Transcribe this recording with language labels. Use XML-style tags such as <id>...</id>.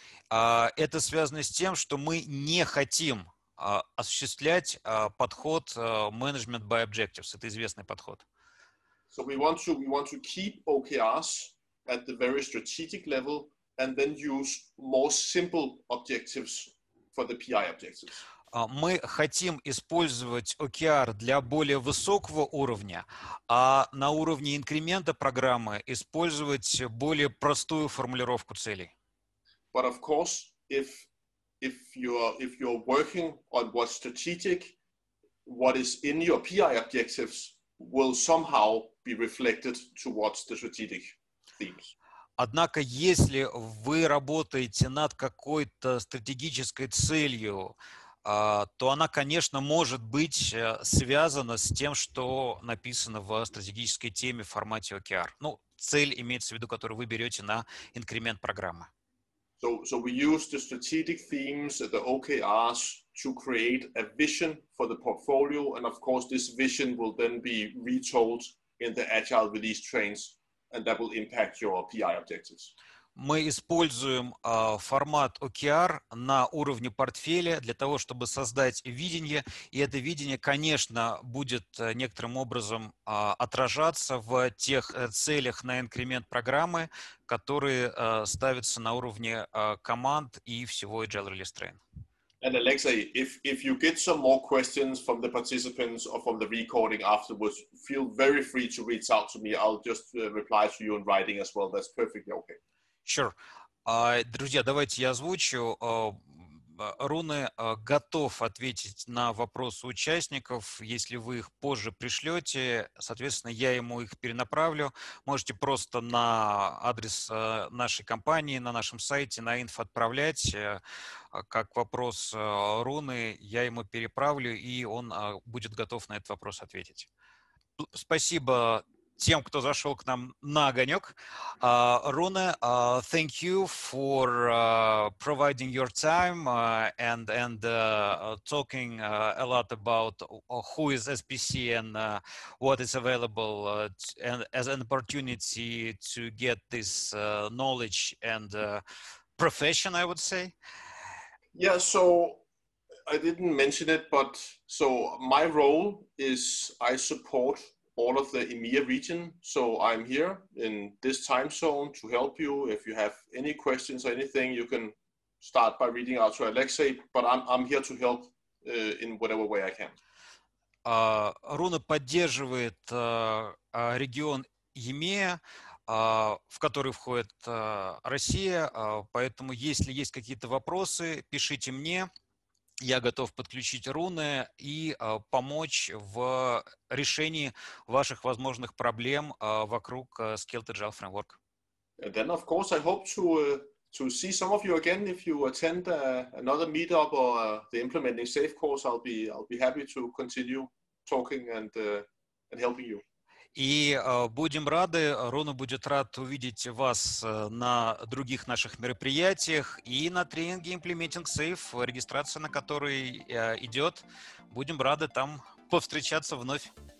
<ru>Это связано с тем, что мы не хотим осуществлять подход management by objectives. Это известный подход.</ru> <en>So we want to keep OKRs at the very strategic level and then use more simple objectives for the PI objectives.</en> <ru>Мы хотим использовать OKR для более высокого уровня, а на уровне инкремента программы использовать более простую формулировку целей.</ru> <en>But of course, if you're working on what's strategic, what is in your PI objectives will somehow be reflected towards the strategic themes.</en> <ru>Однако, если вы работаете над какой-то стратегической целью, то она, конечно, может быть связана с тем, что написано в стратегической теме в формате OKR. Ну, цель имеется в виду, которую вы берете на инкремент программы.</ru> <en>So we use the strategic themes, the OKRs, to create a vision for the portfolio, and of course this vision will then be retold in the agile release trains, and that will impact your PI objectives.</en> <ru>Мы используем формат OKR на уровне портфеля для того, чтобы создать видение, и это видение, конечно, будет некоторым образом отражаться в тех целях на инкремент программы, которые ставятся на уровне команд и всего Agile Release Train.</ru> <en>And Alexei, if you get some more questions from the participants or from the recording afterwards, feel very free to reach out to me. I'll just reply to you in writing as well. That's perfectly okay. Sure.</en> <ru>Друзья, давайте я озвучу. Руне готов ответить на вопросы участников. Если вы их позже пришлете, соответственно, я ему их перенаправлю. Можете просто на адрес нашей компании, на нашем сайте, на инфо отправлять, как вопрос Руны, я ему переправлю, и он будет готов на этот вопрос ответить. Спасибо тем, кто зашел к нам на огонек.</ru> <en>Руне, thank you for providing your time and talking a lot about who is SPC and what is available and as an opportunity to get this knowledge and profession, I would say. Yeah, so I didn't mention it, but so my role is I support all of the EMEA region. So I'm here in this time zone to help you. If you have any questions or anything, you can start by reading out to Alexei, but I'm here to help in whatever way I can.</en> <ru>Руна поддерживает регион EMEA, в который входит Россия, поэтому если есть какие-то вопросы, пишите мне. Я готов подключить Руны и помочь в решении ваших возможных проблем вокруг Scaled Agile Framework.</ru> <en>And then, of course, I hope to see some of you again if you attend another meetup or the Implementing Safe course. I'll be happy to continue talking and helping you.</en> <ru>И будем рады, Руна будет рад увидеть вас на других наших мероприятиях и на тренинге Implementing Safe, регистрация на который идет. Будем рады там повстречаться вновь.</ru>